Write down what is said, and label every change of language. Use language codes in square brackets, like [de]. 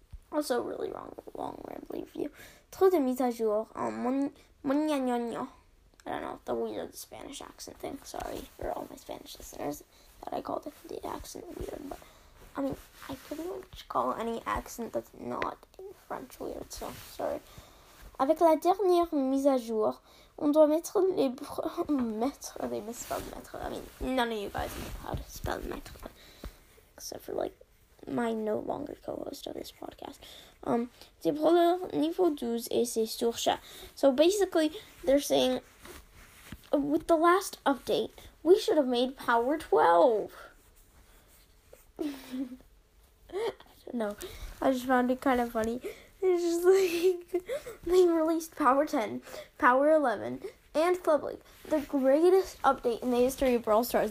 [en] Also, really wrong, long rambling for you. [fr] Trop de mise à jour. [en] Mon ñaño. I don't know. The weird Spanish accent thing. Sorry for all my Spanish listeners that I called the accent weird. But, I mean, I pretty much call any accent that's not in French weird. So, sorry. [fr] Avec la dernière mise à jour, on doit mettre les... [en] mettre, they misspelled mettre. I mean, none of you guys know how to spell mettre. Except for, like, my no longer co-host of this podcast. [fr] C'est pour le niveau 12 et c'est sur chat. [en] So, basically, they're saying, with the last update, we should have made power 12. No, I just found it kind of funny. It's just like, they released Power 10, Power 11, and Club League, the greatest update in the history of Brawl Stars.